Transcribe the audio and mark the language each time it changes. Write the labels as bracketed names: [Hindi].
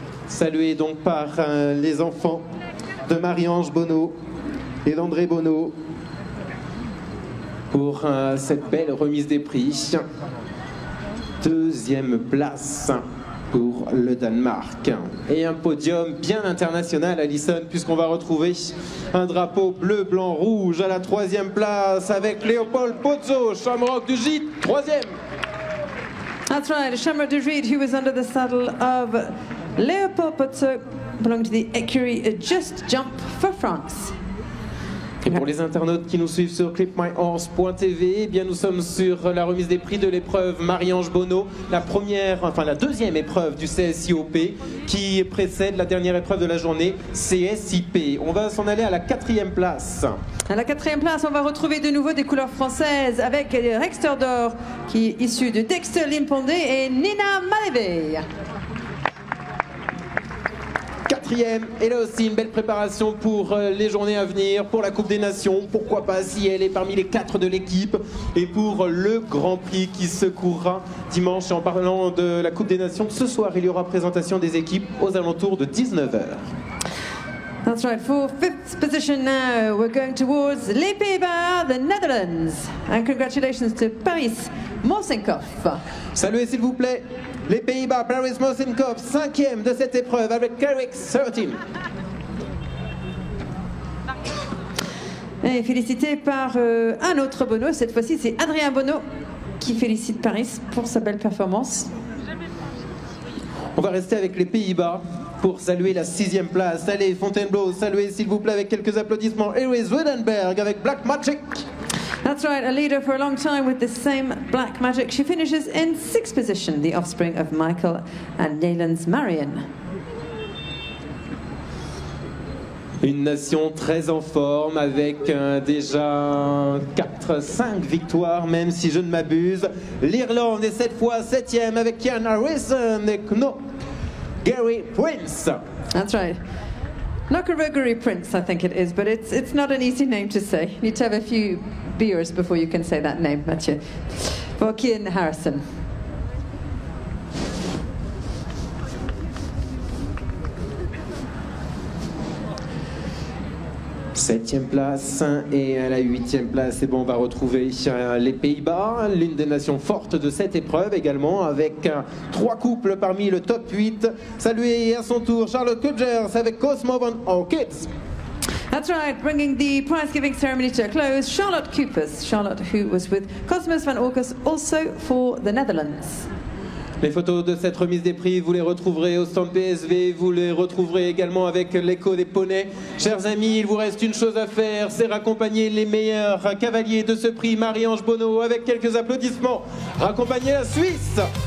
[French] Saluée donc par les enfants de Marie-Ange Bonneau et d'André Bonneau pour cette belle remise des prix. Deuxième place. pour le Danemark. Et un podium bien international, Alison, puisqu'on va retrouver un drapeau bleu, blanc, rouge à la troisième place avec Léopold Pozzo, Shamrock du Gite, troisième. [English] That's right, Shamrock du Gite, who was under the saddle of Léopold Pozzo, belonging to the Écurie Just Jump for France. [French] Et pour les internautes qui nous suivent sur clipmyhorse.tv, eh bien nous sommes sur la remise des prix de l'épreuve Marie-Ange Bonneau, la deuxième épreuve du CSIOP qui précède la dernière épreuve de la journée, CSIP. On va s'en aller à la quatrième place. À la quatrième place, on va retrouver de nouveau des couleurs françaises avec Rexter Dor, qui est issu de Dexter Limpondé et Nina Malevey. Quatrième, et là aussi une belle préparation pour les journées à venir, pour la Coupe des Nations, pourquoi pas si elle est parmi les quatre de l'équipe, et pour le Grand Prix qui se courra dimanche. Et en parlant de la Coupe des Nations, ce soir il y aura présentation des équipes aux alentours de 19h. [English] That's right, for fifth position now, we're going towards [French] Les Pays-Bas, [English] the Netherlands. And congratulations to Paris Morsenkopf. [French] Saluez s'il vous plaît les Pays-Bas, Paris Morsenkopf, cinquième de cette épreuve avec Carrick 13. Et félicité par un autre Bonneau, cette fois-ci c'est Adrien Bonneau qui félicite Paris pour sa belle performance. On va rester avec les Pays-Bas pour saluer la sixième place. Allez Fontainebleau, saluez s'il vous plaît avec quelques applaudissements. Iris Wittenberg avec Black Magic. [English] That's right, a leader for a long time with the same Black Magic. She finishes in sixth position, the offspring of Michael and Nayland's Marion. [French] Une nation très en forme avec déjà 4-5 victoires, même si je ne m'abuse. L'Irlande est cette fois septième avec Ian Harrison et Gary Prince. [English] That's right. Knockerogory Prince, I think it is, but it's not an easy name to say. You need to have a few beers before you can say that name, Mathieu. For Kian Harrison. [French] Septième place et à la huitième place, et bon, on va retrouver les Pays-Bas, l'une des nations fortes de cette épreuve également, avec trois couples parmi le top 8. Saluez à son tour Charlotte Kudgers avec Cosmo van Orchids. That's right, bringing the prize-giving ceremony to a close, Charlotte Kupers. Charlotte, who was with Cosmos van Orchids, also for the Netherlands. Les photos de cette remise des prix, vous les retrouverez au stand PSV, vous les retrouverez également avec l'écho des poneys. Chers amis, il vous reste une chose à faire, c'est raccompagner les meilleurs cavaliers de ce prix, Marie-Ange Bonneau, avec quelques applaudissements. Raccompagner la Suisse!